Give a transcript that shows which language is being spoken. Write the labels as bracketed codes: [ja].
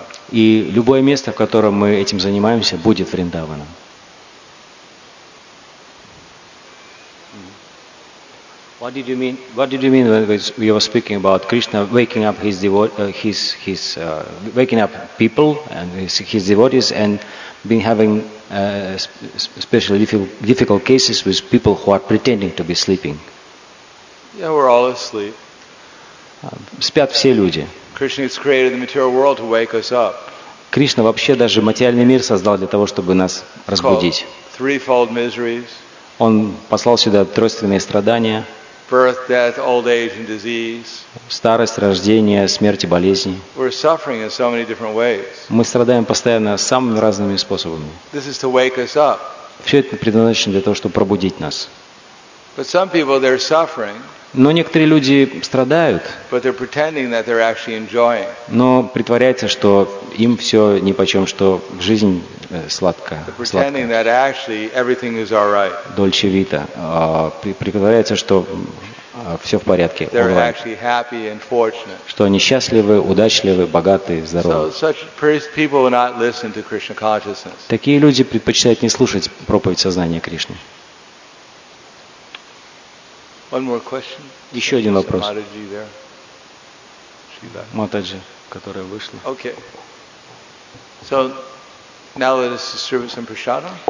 [ru] И любое место, в котором мы этим занимаемся, будет Вриндаваном. [en] What did you mean when you were speaking about Krishna waking up his waking up people and his devotees and been having especially difficult cases with people who are pretending to be sleeping? Yeah, we're all asleep. [ru] Спят все люди. [en] Krishna has created the material world to wake us up. [ru] Кришна вообще даже материальный мир создал для того, чтобы нас разбудить. [en] Threefold miseries. [ru] Он послал сюда тройственные страдания. [en] Birth, death, old age, and disease. [ru] Старость, рождение, смерть и болезни. [en] We're suffering in so many different ways. [ru] Мы страдаем постоянно самыми разными способами. [en] This is to wake us up. [ru] Все это предназначено для того, чтобы пробудить нас. [en] But some people, they're suffering. [ru] Но некоторые люди страдают. [en] But they're pretending that they're actually enjoying. [ru] Но притворяются, что им все нипочем, что жизнь сладкая. [en] Pretending that actually everything is all right. [it] Dolce vita. [ru] Притворяются, что все в порядке. [en] They're actually happy and fortunate. [ru] Что они счастливы, удачливы, богаты, здоровы. [en] So such people will not listen to Krishna consciousness. [ru] Такие люди предпочитают не слушать проповедь сознания Кришны. [en] One more question. [ru] Еще один вопрос. [en] Матаджи, there. [ru] Матаджи, которая вышла. [en] Okay. So now let us serve some prasadam.